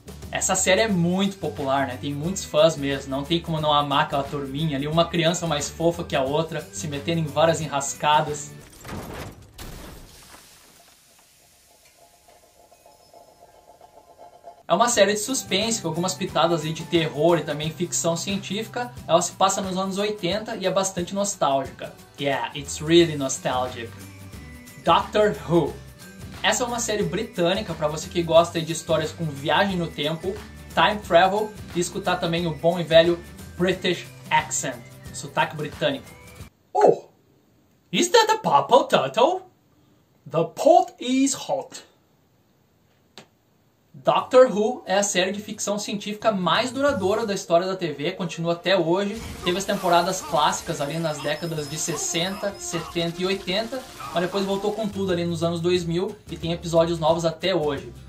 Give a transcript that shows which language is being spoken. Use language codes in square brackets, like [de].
[pt] Essa série é muito popular, né? Tem muitos fãs mesmo, não tem como não amar aquela turminha ali, uma criança mais fofa que a outra, se metendo em várias enrascadas. É uma série de suspense, com algumas pitadas aí de terror e também ficção científica. Ela se passa nos anos 80 e é bastante nostálgica. [en] Yeah, it's really nostalgic. Doctor Who. [pt] Essa é uma série britânica para você que gosta de histórias com viagem no tempo, time travel e escutar também o bom e velho British accent, sotaque britânico. [en] Oh, is that a purple turtle? The pot is hot. [pt] Doctor Who é a série de ficção científica mais duradoura da história da TV, continua até hoje. Teve as temporadas clássicas ali nas décadas de 60, 70 e 80, mas depois voltou com tudo ali nos anos 2000 e tem episódios novos até hoje.